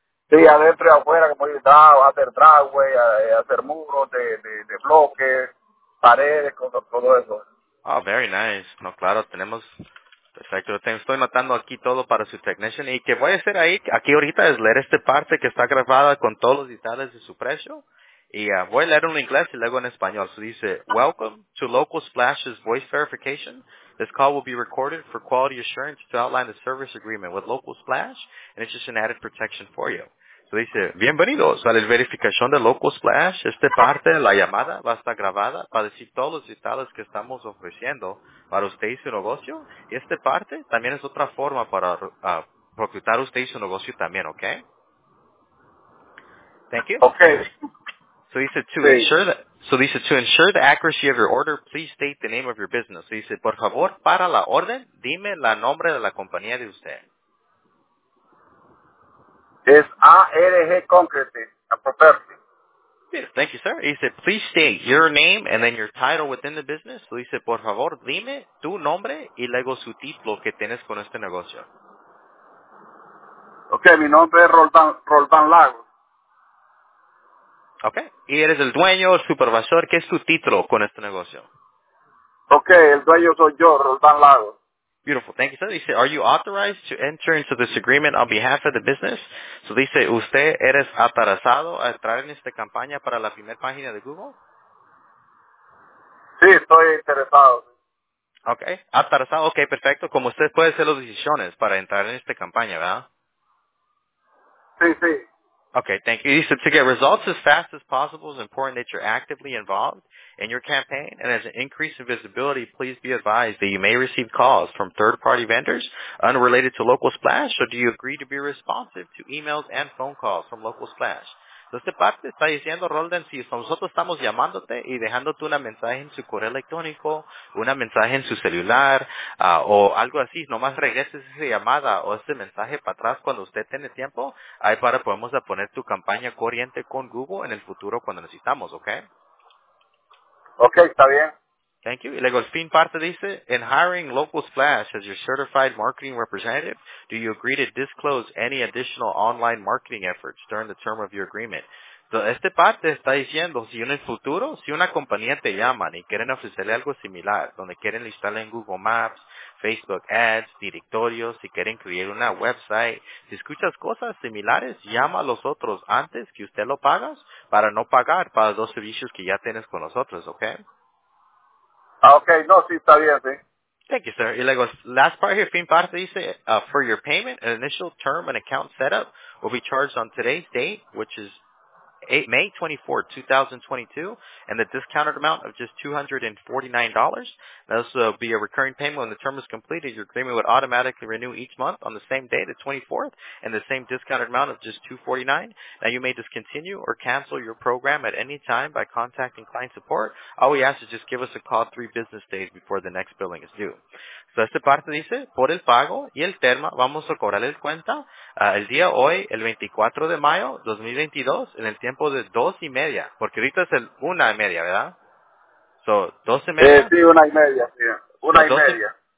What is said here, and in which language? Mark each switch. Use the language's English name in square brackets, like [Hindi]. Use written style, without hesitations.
[Spanish] Sí, adentro y afuera, como dices, hacer driveway, hacer muros de bloques, paredes, todo eso. [English] Ah, oh, very nice. [Spanish] No, claro, tenemos... Perfecto, estoy matando aquí todo para su technician. ¿Y qué voy a hacer ahí? Aquí ahorita es leer esta parte que está grabada con todos los detalles de su precio. Y voy a leer en inglés y luego en español. [English] So [Spanish] dice, [English] welcome to Local Splash's voice verification. This call will be recorded for quality assurance to outline the service agreement with Local Splash, and it's just an added protection for you. [Spanish] So dice, bienvenidos a la verificación de Local Splash. Esta parte, la llamada, va a estar grabada para decir todos los detalles que estamos ofreciendo para usted y su negocio. Y esta parte también es otra forma para reclutar usted y su negocio también, ¿ok? [English] Thank you. Okay. So [Spanish] dice, [English] to ensure the accuracy of your order, please state the name of your business. [Spanish] So dice, por favor, para la orden, dime la nombre de la compañía de usted. Es ARG Concrete, a property. [English] Yes, thank you, sir. He said, please state your name and then your title within the business. So he said, [Spanish] por favor, dime tu nombre y luego su título que tienes con este negocio. Okay, mi nombre es Roldán Lago. Okay. Y eres el dueño, el supervisor. ¿Qué es tu título con este negocio? Okay, el dueño soy yo, Roldán Lago. [English] Beautiful. Thank you, sir. [Spanish] Dice, [English] are you authorized to enter into this agreement on behalf of the business? [Spanish] So dice, ¿usted eres autorizado a entrar en esta campaña para la primera página de Google? Sí, estoy interesado. Okay. Autorizado. Okay, perfecto. Como usted puede hacer las decisiones para entrar en esta campaña, ¿verdad? Sí, sí. [English] Okay, thank you. He said, to get results as fast as possible, it's important that you're actively involved in your campaign. And as an increase in visibility, please be advised that you may receive calls from third-party vendors unrelated to Local Splash, or do you agree to be responsive to emails and phone calls from Local Splash? [Spanish] Entonces, parte está diciendo, Roldán, si nosotros estamos llamándote y dejándote una mensaje en su correo electrónico, una mensaje en su celular, o algo así, nomás regreses esa llamada o ese mensaje para atrás cuando usted tiene tiempo, ahí para podemos poner tu campaña corriente con Google en el futuro cuando necesitamos, ¿ok? Ok, está bien. [English] Thank you. [Spanish] Y luego el fin parte dice, [English] in hiring Local Splash as your certified marketing representative, do you agree to disclose any additional online marketing efforts during the term of your agreement? [Spanish] So, este parte está diciendo, si en el futuro, si una compañía te llama y quieren ofrecerle algo similar, donde quieren listarle en Google Maps, Facebook Ads, directorios, si quieren crear una website, si escuchas cosas similares, llama a los otros antes que usted lo pagas para no pagar para los servicios que ya tienes con nosotros, ¿ok? Okay, no, sí, está bien, sí. [English] Thank you, sir. [Spanish] Y luego, [English] last part here, [Spanish] fin parte dice, [English] for your payment, an initial term and account setup will be charged on today's date, which is May 24, 2022, and the discounted amount of just $249. This will be a recurring payment when the term is completed. Your agreement would automatically renew each month on the same day, the 24th, and the same discounted amount of just $249. Now, you may discontinue or cancel your program at any time by contacting client support. All we ask is just give us a call 3 business days before the next billing is due. [Spanish] So, esta parte dice, por el pago y el termo, vamos a cobrar el cuenta el día hoy, el 24 de mayo 2022, en el tiempo de 2:30, porque ahorita es el 1:30, ¿verdad? [English] So, 2:30. [Spanish] Sí, 1:30, sí. 1:30.